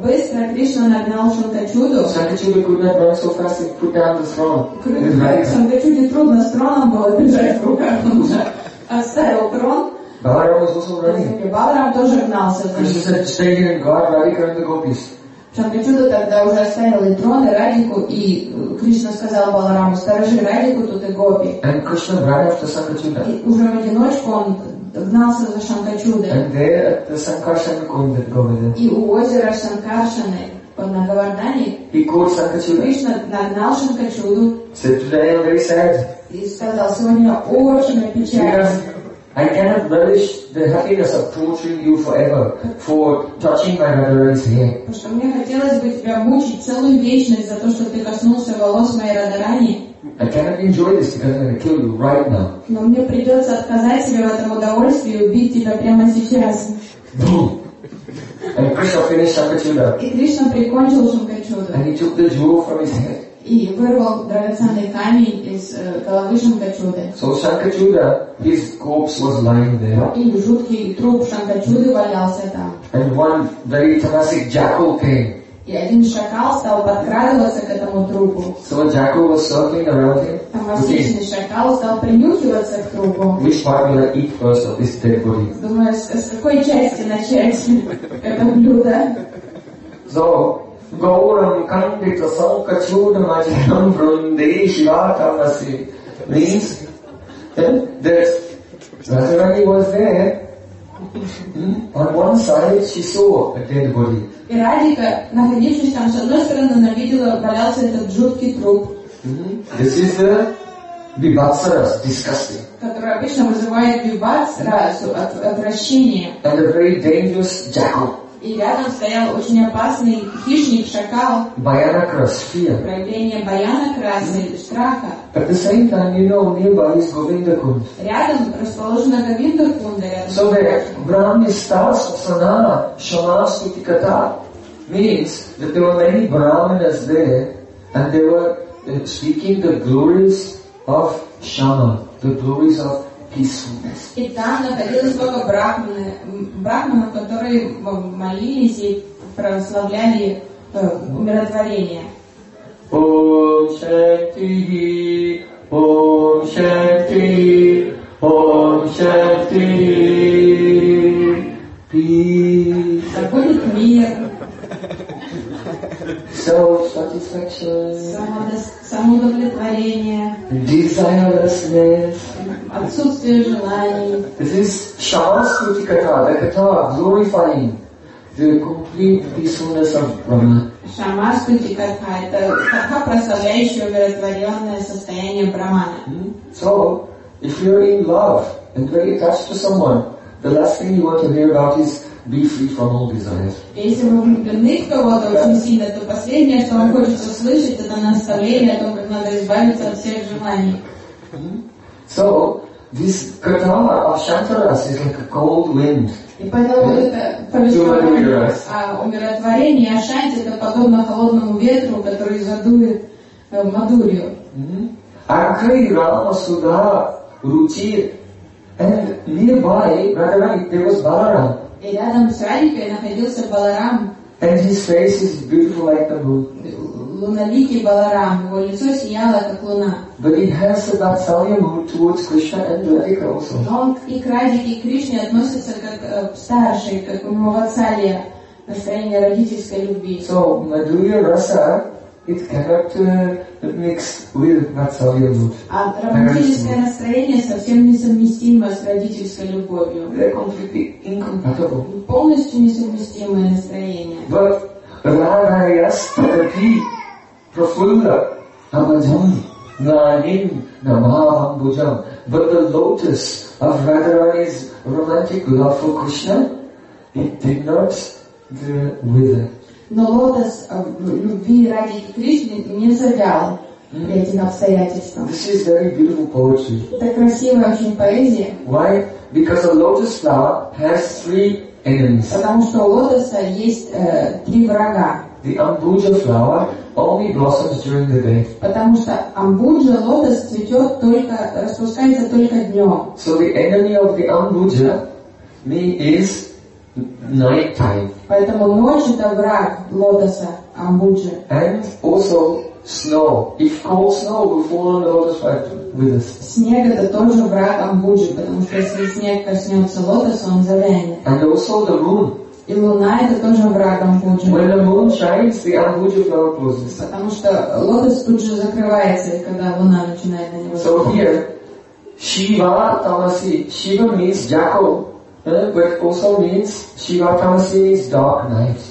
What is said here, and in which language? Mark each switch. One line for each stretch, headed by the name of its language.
Russian: Быстро Кришна нагнал Шанкачуду.
English: Shankachuda could not run so fast, he put down the throne.
Russian: Шанкачуде трудно с троном было бежать в руках. Он уже оставил трон.
English: Баларам was also running.
Russian: Баларам тоже гнался.
English: Krishna said, stay here and guard Radhika and the gopis.
Russian: Шанкачуда тогда уже оставил и трон, и Радику, и Кришна сказал Балараму, сторожи Радику, тут и гопи.
English: And Krishna ran after Shankachuda.
Russian: И уже в одиночку он гнался за Шанкачудой.
English: And there at the Sankarshana Kundan Govardhan.
Russian: И у озера Шанкаршаны на Говардхане Кришна нагнал Шанкачуду.
English: Said, today I'm very sad.
Russian: И сказал, сегодня очень печально.
English: I cannot relish the happiness of torturing you forever for touching my Radharani's hair.
Russian: Потому мне хотелось бы тебя мучить целую вечность за то, что ты коснулся волос моей Радарани.
English: I cannot enjoy this because I'm going to kill you right now.
Russian: Но мне придется отказать себе в этом удовольствии и убить тебя прямо сейчас.
English: Boom. And Krishna finished Shankachuda.
Russian: И Кришна прикончил Шанкачуду.
English: And he took the jewel from his head.
Russian: И вырвал драгоценный камень из головы Шанкачуды.
English: So Shankachuda, his corpse was lying there.
Russian: И жуткий труп Шанкачуды валялся там.
English: And one very tamasic jackal came.
Russian: И один шакал стал подкрадываться к этому трупу.
English: So a jackal was circling around him.
Russian: Тамасичный шакал стал принюхиваться к трупу.
English: Which part will I eat first of this dead body?
Russian: Думаю, с какой части начать это блюдо?
English: So
Sanskrit: Gauram Kandita Sankachuda Majam Vrundesh Vatamasi
English: means that Rajarani was there. On one side she saw a dead body.
Russian: И Радика, находившись там, с одной стороны, она видела, валялся этот жуткий труп.
English: This is the vibhatsara, disgusting.
Russian: Которая обычно вызывает vibhatsara, отвращение.
English: And a very dangerous jackal.
Russian: И рядом стоял очень опасный хищник, шакал.
English: Bhayanakras, fear.
Russian: Проявление Bhayanakras, страха.
English: At the same time, you know, nearby is Govinda Kund.
Russian: Рядом расположена Говинда Кунда.
English: So the Brahmi stars of Sanana, Shamas Kutikata, means that there were many Brahminas there and they were speaking the glories of Shama, the glories of
Russian: И там находилось много брахманов, которые молились и прославляли умиротворение.
Sanskrit: Ом Шакти, Ом Шакти, Ом Шакти.
English: Peace.
Russian: Да будет мир.
English: Self-satisfaction.
Russian: Самоудовлетворение.
English: Desirelessness.
Russian: Отсутствие желаний.
English: This is Shamaskriti Katha, the Katha glorifying the complete peacefulness of Brahma.
Russian: Shamaskriti Katha, это Katha, прославляющая умиротворенное состояние Брахмана.
English: So, if you're in love and very attached to someone, the last thing you want to hear about is be free from all desires.
Russian: Если вы влюблены в кого-то очень сильно, то последнее, что вам хочется услышать, это наставление о том, как надо избавиться от всех желаний.
English: So, this katha of Shantaras is like a cold wind.
Russian: И поэтому это повествование о умиротворении, о Шанте, это подобно холодному ветру, который задует Мадурию.
Sanskrit: Акри, Рама, Суда, Ручи.
English: And nearby, Radharani, there was Balaram.
Russian: И рядом с Радикой находился Баларам.
English: And his face is beautiful like the moon.
Russian: Луналикий Баларам, его лицо сияло, как луна.
English: But it has a Vatsalya mood towards Krishna and Radhika also.
Russian: Но он и к Радике, и к Кришне относится как старший, как у него Vatsalya, настроение родительской любви.
English: So, Madhurya Rasa, it cannot mix with Vatsalya mood.
Russian: А романтическое настроение совсем несовместимо с родительской любовью.
English: They're completely incompatible.
Russian: Полностью несовместимое настроение.
English: But
Sanskrit: Rāyās Tadapī Prafulla Namajam Nāyim Namāvam Bhujam.
English: But the lotus of Radharani's romantic love for Krishna, it did not wither.
Russian: Но лотос любви ради Кришны не завял этим обстоятельствам.
English: This is very beautiful poetry.
Russian: Это красивая очень поэзия.
English: Why? Because a lotus flower has three enemies.
Russian: Потому что у лотоса есть три врага.
English: The ambuja flower only blossoms during the day.
Russian: Потому что амбуджа, лотос, цветет только, распускается только днем.
English: So the enemy of the ambuja is night time.
Russian: Поэтому ночь это враг лотоса, амбуджа.
English: And also snow. If cold snow will fall on the lotus flower with us.
Russian: Снег это тоже враг амбуджи, потому что если снег коснется лотоса, он завянет.
English: And also the moon.
Russian: И луна это тоже враг амбуджи.
English: When the moon shines, the амбуджи flower closes.
Russian: Потому что лотос тут же закрывается, когда луна начинает на него.
English: So here, Shiva Tamasi. Shiva means jackal. But also means Shiva Tamasi is dark night.